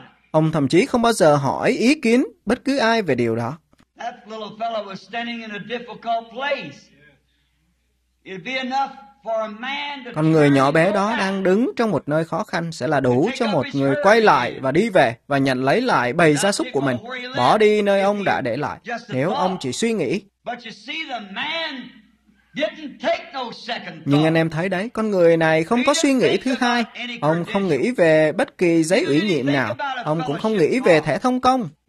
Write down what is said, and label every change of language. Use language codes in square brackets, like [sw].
[vi] Ông thậm chí không bao giờ hỏi ý kiến bất cứ ai về điều đó. [en] That little fellow was standing in a difficult place. It'd be enough for a man to. [vi] Con người nhỏ bé đó đang đứng trong một nơi khó khăn sẽ là đủ cho một người quay lại và đi về và nhận lấy lại bầy gia súc của mình, bỏ đi nơi ông đã để lại. Nếu ông chỉ suy nghĩ. [en] But you see, the man didn't take no second. [vi] Nhưng anh em thấy đấy, con người này không có suy nghĩ thứ hai. Ông không nghĩ về bất kỳ giấy ủy nhiệm nào. Ông cũng không nghĩ về thẻ thông công.